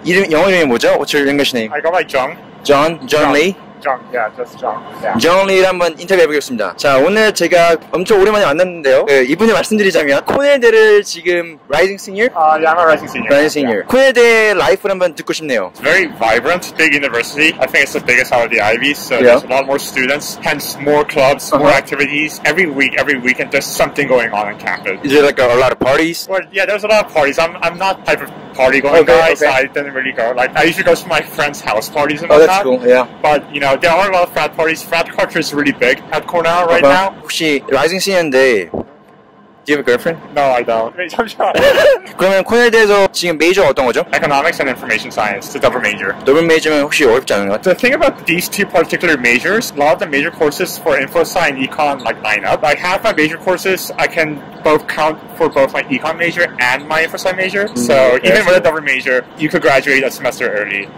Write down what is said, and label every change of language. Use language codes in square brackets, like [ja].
[ko] 이름 영어 이름이 뭐죠? [en] What's your English name? I go by John. John? John Lee? John, yeah, just John. Yeah. [ko] John Lee를 한번 인터뷰해 보겠습니다. 자, 오늘 제가 엄청 오랜만에 만났는데요. 네, 이분을 말씀드리자면 코넬대를 지금 Rising Senior? [en] Yeah, I'm a Rising Senior. Rising Senior. Yeah. [ko] 코넬대 라이프를 한번 듣고 싶네요. [en] It's very vibrant, big university. I think it's the biggest out of the Ivy, so yeah. There's a lot more students, hence more clubs, uh-huh. more activities. Every weekend, there's something going on campus. Is there like a lot of parties? Well, yeah, there's a lot of parties. I'm not type of party going okay, guy, okay. So I didn't really go. Like, I usually go to my friend's house parties and oh, like that's that. Cool, yeah. But, you know, there are a lot of frat parties. Frat culture is really big at Cornell right uh-huh. now. [ko] 혹시 [en] Rising Senior인데 Do you have a girlfriend? No, I don't. [ko] 그러면 코넬대에서 지금 메이저 어떤 거죠? [en] Economics and Information Science. It's a double major. [ko] Double major면 혹시 어렵지 않은 것 같아요? [en] The thing about these two particular majors, a lot of the major courses for Info Sci and Econ like line up. I have my major courses, I can both count for both my Econ major and my Info Sci major. Mm-hmm. So yeah, even with a double major, you could graduate a semester early.